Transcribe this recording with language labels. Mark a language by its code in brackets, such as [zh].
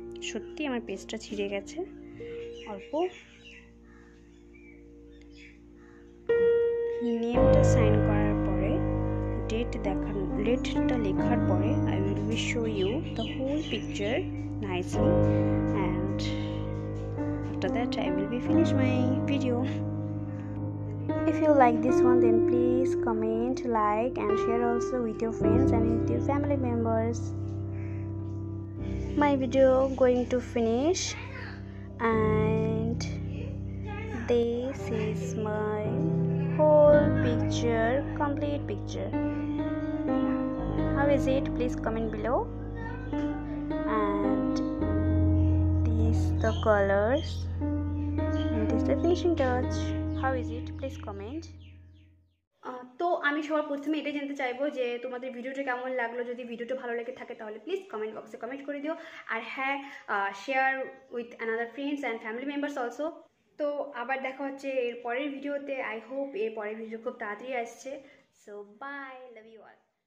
[bn] সত্যি আমার পেজটা ছিঁড়ে গেছে অল্প, নেমটা সাইন করার পরে ডেট দেখানো ডেটটা লেখার পরে [en] I will be show you the whole picture nicely, and after that I will be finish my video. If you like this one then please comment like and share also with your friends and with your family members. My video going to finish, and this is my whole picture, complete picture. How is it? Please comment below. And these the colors, and this is the finishing touch. How is it? Please comment. [bn] তো আমি সবার প্রথমে এটাই জানতে চাইবো যে তোমাদের ভিডিওটা কেমন লাগলো, যদি ভিডিওটা ভালো লেগে থাকে তাহলে প্লিজ কমেন্ট বক্সে কমেন্ট করে দিও, আর হ্যাঁ [en] Share with another friends and family members also. [bn] তো আবার দেখা হচ্ছে এর পরের ভিডিওতে. আই হোপ এর পরের ভিডিও খুব তাড়াতাড়ি আসছে. [en] So bye, love you all.